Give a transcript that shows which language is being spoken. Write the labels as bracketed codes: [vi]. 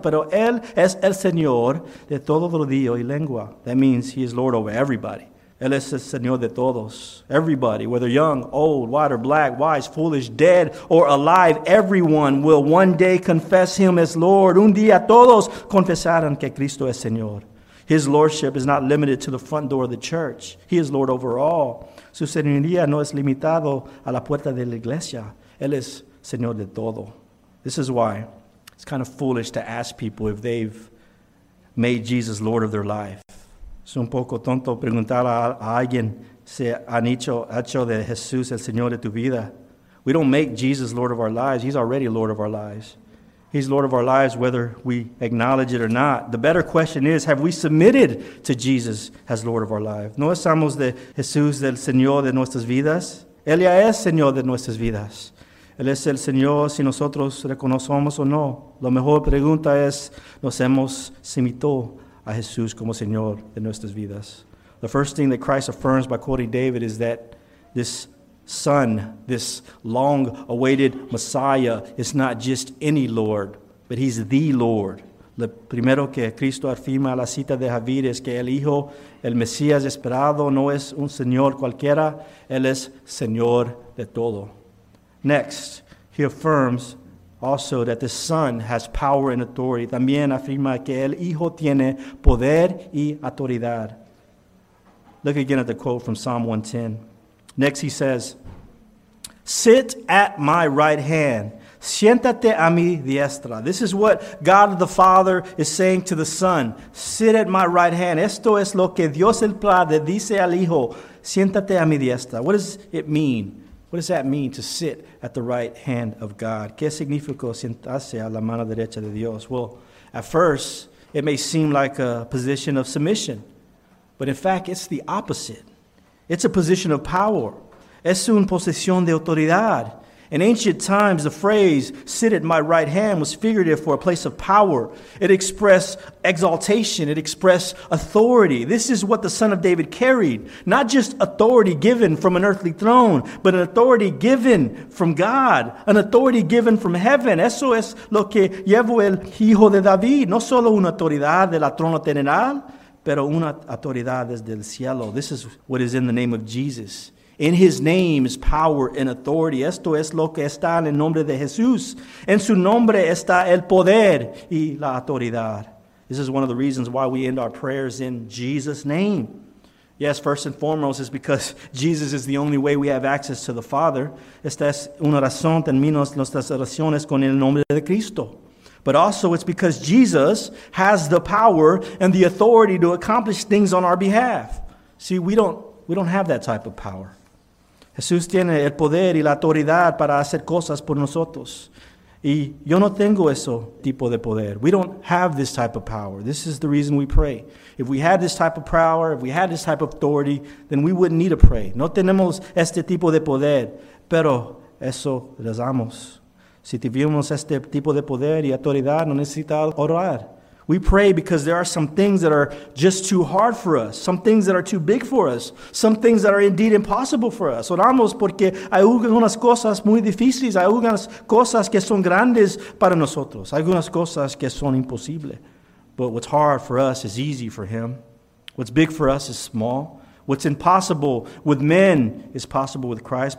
[es] Pero él es el Señor de todo rodillo y lengua. [en] That means he is Lord over everybody. [es] Él es el Señor de todos, [en] everybody, whether young, old, white or black, wise, foolish, dead or alive, everyone will one day confess him as Lord. [es] Un día todos confesarán que Cristo es Señor. [en] His lordship is not limited to the front door of the church. He is Lord over all. [es] Su señoría no es limitado a la puerta de la iglesia. Él es Señor de todo. [en] This is why it's kind of foolish to ask people if they've made Jesus Lord of their life. [es] Es un poco tonto preguntar a alguien si han hecho de Jesús el Señor de tu vida. [en] We don't make Jesus Lord of our lives. He's already Lord of our lives. He's Lord of our lives whether we acknowledge it or not. The better question is, have we submitted to Jesus as Lord of our lives? [es] ¿No estamos de Jesús el Señor de nuestras vidas? Él ya es Señor de nuestras vidas. Él es el Señor si nosotros reconocemos o no. La mejor pregunta es, ¿nos hemos sometido a Jesús como Señor de nuestras vidas? [en] The first thing that Christ affirms by quoting David is that this Son, this long-awaited Messiah is not just any Lord, but he's the Lord. [es] Lo primero que Cristo afirma a la cita de Javier es que el Hijo, el Mesías esperado, no es un Señor cualquiera, él es Señor de todo. [en] Next, he affirms also that the Son has power and authority. [es] También afirma que el Hijo tiene poder y autoridad. [en] Look again at the quote from Psalm 110. Next he says, sit at my right hand. [es] Siéntate a mi diestra. [en] This is what God the Father is saying to the Son. Sit at my right hand. [es] Esto es lo que Dios el Padre dice al Hijo. Siéntate a mi diestra. [en] What does it mean? What does that mean to sit at the right hand of God? [es] ¿Qué significa sentarse a la mano derecha de Dios? [en] Well, at first, it may seem like a position of submission. But in fact, it's the opposite. It's a position of power. [es] Es una posición de autoridad. [en] In ancient times, the phrase, sit at my right hand, was figurative for a place of power. It expressed exaltation. It expressed authority. This is what the Son of David carried. Not just authority given from an earthly throne, but an authority given from God. An authority given from heaven. [es] Eso es lo que llevó el Hijo de David. No solo una autoridad de la trono terrenal, pero una autoridad desde el cielo. [en] This is what is in the name of Jesus. In his name is power and authority. [es] Esto es lo que está en el nombre de Jesús. En su nombre está el poder y la autoridad. [en] This is one of the reasons why we end our prayers in Jesus' name. Yes, first and foremost, is because Jesus is the only way we have access to the Father. [es] Esta es una razón, terminamos nuestras oraciones con el nombre de Cristo. [en] But also it's because Jesus has the power and the authority to accomplish things on our behalf. See, we don't have that type of power. [es] Jesús tiene el poder y la autoridad para hacer cosas por nosotros. Y yo no tengo ese tipo de poder. [en] We don't have this type of power. This is the reason we pray. If we had this type of power, if we had this type of authority, then we wouldn't need to pray. [es] No tenemos este tipo de poder, pero eso rezamos. Si tuvimos este tipo de poder y autoridad, no necesita orar. [en] We pray because there are some things that are just too hard for us, some things that are too big for us, some things that are indeed impossible for us. [es] Oramos porque hay algunas cosas muy difíciles, hay algunas cosas que son grandes para nosotros, hay algunas cosas que son imposibles. [en] But what's hard for us is easy for him. What's big for us is small. What's impossible with men is possible with Christ.